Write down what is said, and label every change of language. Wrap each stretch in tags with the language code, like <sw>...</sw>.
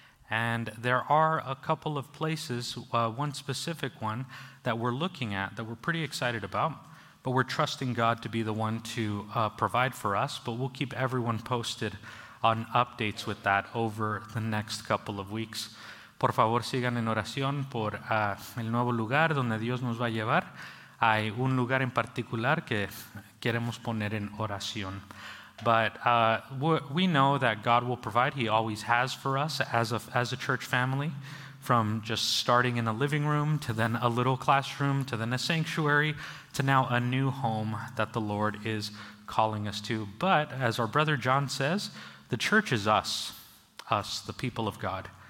<en>And there are a couple of places, one specific one that we're looking at that we're pretty excited about. But we're trusting God to be the one to provide for us. But we'll keep everyone posted on updates with that over the next couple of weeks.</en> <es>Por favor, sigan en oración por el nuevo lugar donde Dios nos va a llevar. Hay un lugar en particular que queremos poner en oración.</es> <en>But we know that God will provide. He always has for us as a church family, from just starting in a living room to then a little classroom to then a sanctuary to now a new home that the Lord is calling us to. But as our brother John says, the church is us, the people of God.</en>